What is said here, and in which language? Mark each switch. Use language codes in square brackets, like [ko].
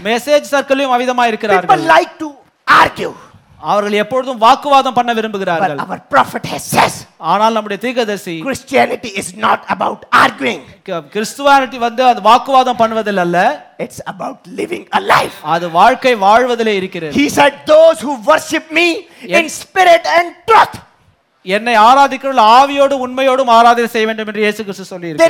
[ta] Message சர்க்கிளையும் அவிதமாக இருக்கிறார்கள். [en] People like to argue. [ta] அவர்கள் எப்பொழுதும் வாக்குவாதம் பண்ண விரும்புகிறார்கள். [en] But our prophet has said. [ta] ஆனால் நம்முடைய தீர்க்கதரிசி, [en] Christianity is not about arguing. [ta] கிறிஸ்துவானிட்டி வந்து அது வாக்குவாதம் பண்ணுவதில் அல்ல. [en] It's about living a life. [ta] அது வாழ்க்கை வாழ்வதிலே இருக்கிறது. [en] He said those who worship me in spirit and truth. [ta] என்னை ஆராதிக்கிறவர்கள் ஆவியோடு உண்மையோடு ஆராதனை செய்ய வேண்டும் என்று இயேசு கிறிஸ்து சொல்லியிருக்கிறார்.